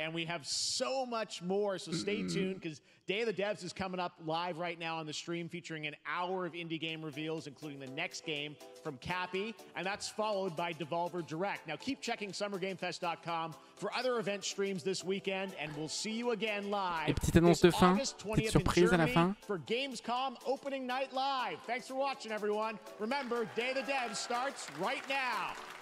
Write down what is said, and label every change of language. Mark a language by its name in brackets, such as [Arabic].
[English] And we have so much more, so stay tuned, because Day of the Devs is coming up live right now on the stream, featuring an hour of indie game reveals, including the next game from Cappy, and that's followed by Devolver Direct. Now, keep checking SummerGameFest.com for other event streams this weekend, and we'll see you again live. [French] Et petite annonce de fin, petite surprise à la fin. [English] For Gamescom opening night live. Thanks for watching, everyone. Remember, Day of the Devs starts right now.